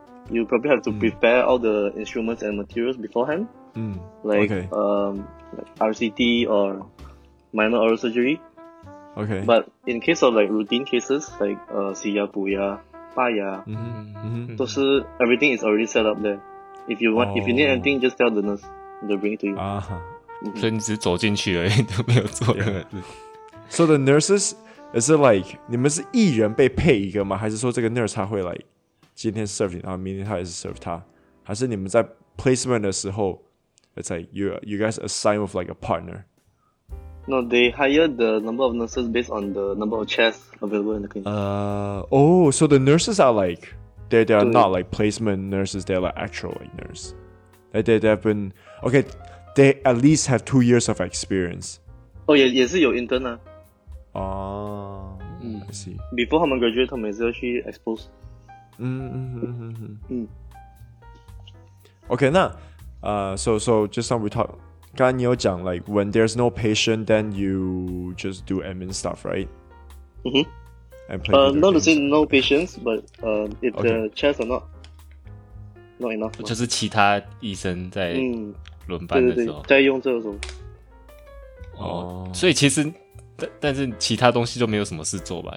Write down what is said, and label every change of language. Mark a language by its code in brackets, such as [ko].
[en] You probably have to prepare all the instruments and materials beforehand, like RCT or minor oral surgery. Okay. But in case of like routine cases, like [zh] 洗牙、补牙、拔牙，都是 [en] everything is already set up there. If you want, if you need anything, just tell the nurse, they'll bring it to you. 啊， [zh] 所以你只走进去而已，都没有做任何事。 [en] So the nurses, is it like [zh] 你们是一人被配一个吗？还是说这个 [en] nurse 他会 like? 今天 serve 你， [zh] 然后明天他也是 [en] serve 他， [zh] 还是你们在 [en] placement 的时候 ，it's like you guys assign with like a partner. No, they hire the number of nurses based on the number of chairs available in the clinic. So the nurses are like they are not like placement nurses. They're like actual like nurse. They have been okay. They at least have 2 years of experience. [zh] Oh, 也是有 intern 啊。 [en] I see. Before [zh] 他们 graduate, 他们也是要去 expose. [en] Okay, now, so just now we talked. [zh] 刚刚你有讲 [en] like when there's no patient, then you just do admin stuff, right? And play. Not to say no patients, but if the chairs are not enough, [zh] 就是其他医生在轮班的时候，在用这个时候。所以其实但是其他东西就没有什么事做吧？